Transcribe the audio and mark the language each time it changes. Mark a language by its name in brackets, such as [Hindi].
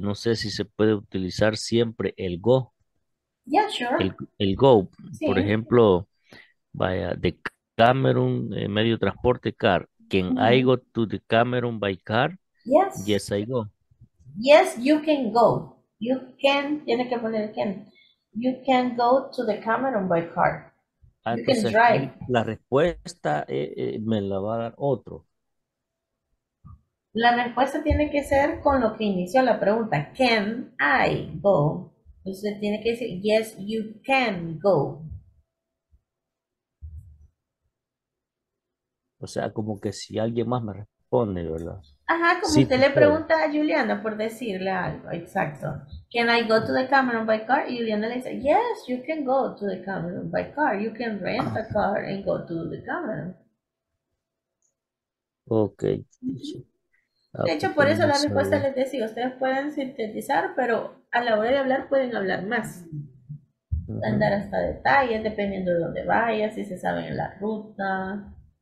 [Spanish] No sé si se puede utilizar siempre el go. [English] Yeah, sure. [Spanish] El go, sí. Por ejemplo, vaya, de Cameroon, medio transporte, car. [English] Can I go to the Cameroon by car? Yes. Yes, I go. Yes, you can go. You can, [Spanish] tiene que poner can. [English] You can go to the Cameroon by car. Entonces, you can drive. [Spanish] La respuesta me la va a dar otro. La respuesta tiene que ser con lo que inició la pregunta. [English] Can I go? [Spanish] Entonces tiene que decir, [English] yes, you can go. [Spanish] O sea, como que si alguien más me responde, ¿verdad? Ajá, como sí, usted le pregunta a Juliana por decirle algo, exacto. [English] Can I go to the Cameroon by car? [Spanish] Y Juliana le dice, [English] yes, you can go to the Cameroon by car. You can rent a car and go to the Cameroon. Ok. Mm-hmm. [Spanish] De hecho, por eso la respuesta les decía, ustedes pueden sintetizar, pero a la hora de hablar pueden hablar más. Mm-hmm. Andar hasta detalles, dependiendo de dónde vaya, si se saben la ruta.